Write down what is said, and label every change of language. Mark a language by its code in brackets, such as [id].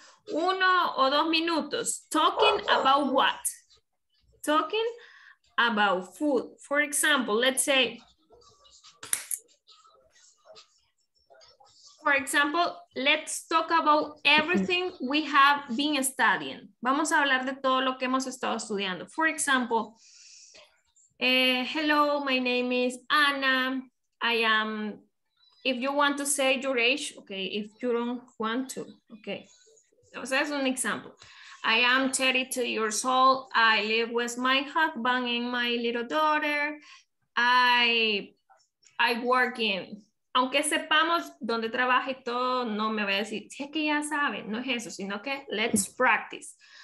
[es] 1 o 2 minutos. [en] Talking about what? Talking about food. For example, let's say. For example, let's talk about everything we have been studying. [es] Vamos a hablar de todo lo que hemos estado estudiando. [en] For example, hello, my name is Anna. I am, if you want to say your age, okay, if you don't want to, okay. So that's an example. I am 32 years old. I live with my husband and my little daughter. I work in, [es] aunque sepamos dónde trabaja y todo, no me voy a decir, si es que ya saben, no es eso, sino que [en] let's practice.